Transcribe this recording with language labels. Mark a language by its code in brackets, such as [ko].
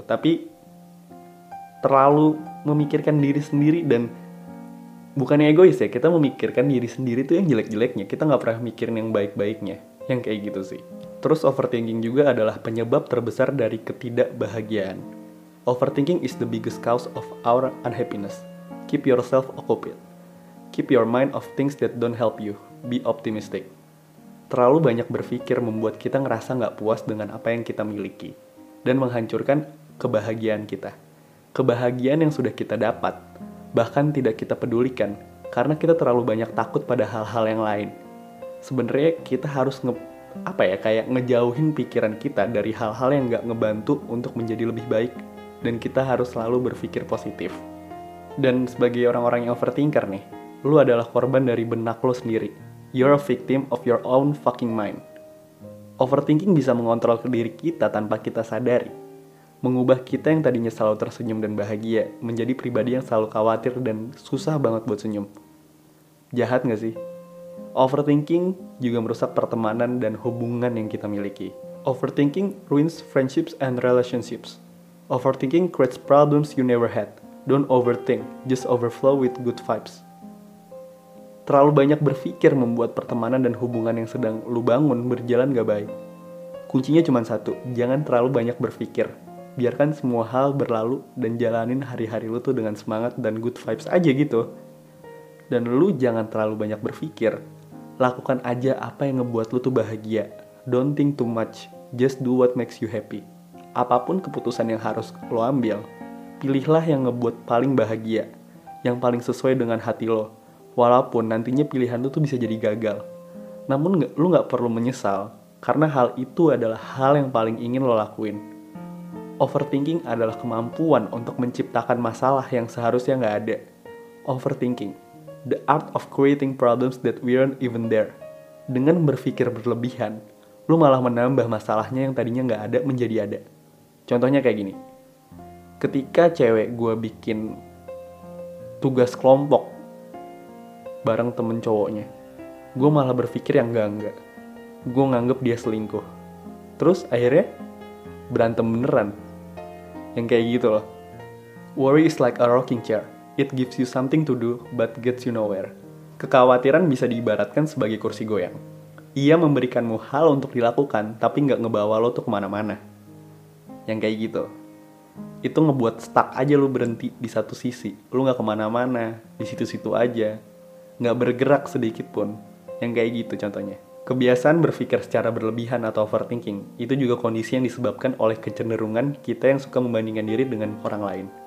[id] Tapi terlalu memikirkan diri sendiri, dan bukannya egois ya, kita memikirkan diri sendiri tuh yang jelek-jeleknya. Kita gak pernah mikirin yang baik-baiknya, yang kayak gitu sih. Terus overthinking juga adalah penyebab terbesar dari ketidakbahagiaan. [en] Overthinking is the biggest cause of our unhappiness. Keep yourself occupied. Keep your mind off things that don't help you. Be optimistic. [id] Terlalu banyak berpikir membuat kita ngerasa gak puas dengan apa yang kita miliki dan menghancurkan kebahagiaan kita. Kebahagiaan yang sudah kita dapat bahkan tidak kita pedulikan karena kita terlalu banyak takut pada hal-hal yang lain. Sebenarnya kita harus kayak ngejauhin pikiran kita dari hal-hal yang gak ngebantu untuk menjadi lebih baik, dan kita harus selalu berpikir positif. Dan sebagai orang-orang yang overthinker nih, lu adalah korban dari benak lu sendiri. [en] You're a victim of your own fucking mind. [id] Overthinking bisa mengontrol diri kita tanpa kita sadari. Mengubah kita yang tadinya selalu tersenyum dan bahagia menjadi pribadi yang selalu khawatir dan susah banget buat senyum. Jahat gak sih? Overthinking juga merusak pertemanan dan hubungan yang kita miliki. [en] Overthinking ruins friendships and relationships. Overthinking creates problems you never had. Don't overthink, just overflow with good vibes. [id] Terlalu banyak berpikir membuat pertemanan dan hubungan yang sedang lu bangun berjalan gak baik. Kuncinya cuma satu, jangan terlalu banyak berpikir. Biarkan semua hal berlalu dan jalanin hari-hari lu tuh dengan semangat dan [en] good vibes [id] aja gitu. Dan lu jangan terlalu banyak berpikir. Lakukan aja apa yang ngebuat lu tuh bahagia. [en] Don't think too much, just do what makes you happy. [id] Apapun keputusan yang harus lu ambil, pilihlah yang ngebuat paling bahagia, yang paling sesuai dengan hati lu. Walaupun nantinya pilihan lu tuh bisa jadi gagal, namun lu gak perlu menyesal, karena hal itu adalah hal yang paling ingin lo lakuin. Overthinking adalah kemampuan untuk menciptakan masalah yang seharusnya gak ada. [en] Overthinking, the art of creating problems that weren't even there. [id] Dengan berpikir berlebihan, lu malah menambah masalahnya yang tadinya gak ada menjadi ada. Contohnya kayak gini, ketika cewek gue bikin tugas kelompok bareng temen cowoknya, gue malah berpikir yang enggak-enggak. Gue nganggep dia selingkuh. Terus akhirnya berantem beneran. Yang kayak gitu loh. [en] Worry is like a rocking chair. It gives you something to do, but gets you nowhere. [id] Kekhawatiran bisa diibaratkan sebagai kursi goyang. Ia memberikanmu hal untuk dilakukan, tapi nggak ngebawa lo tuh kemana-mana. Yang kayak gitu. Itu ngebuat stuck aja lo berhenti di satu sisi. Lo nggak kemana-mana, di situ-situ aja. Nggak bergerak sedikit pun. Yang kayak gitu contohnya. Kebiasaan berpikir secara berlebihan atau overthinking, itu juga kondisi yang disebabkan oleh kecenderungan kita yang suka membandingkan diri dengan orang lain.